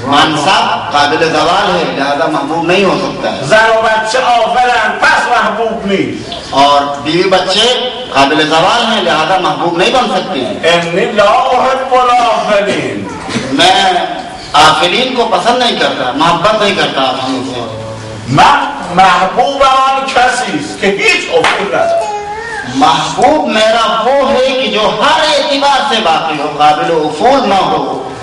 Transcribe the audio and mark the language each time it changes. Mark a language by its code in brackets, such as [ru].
[ur] منصب قابل زوال ہے لہذا محبوب نہیں ہو سکتا ہے. زن و بچے آفر ہیں پس محبوب نہیں, اور بیوی بچے قابل زوال ہیں لہذا محبوب نہیں بن سکتے ہیں. [ar] انی لا احب الافلین, [ur] میں آفلین کو پسند نہیں کرتا, محبت نہیں کرتا آفلین سے. [fa] من محبوب آن کسی است که هیچ افول ندارد, [ur] محبوب میرا وہ ہے کہ جو ہر اعتبار سے باقی ہو, قابل افول نہ ہو.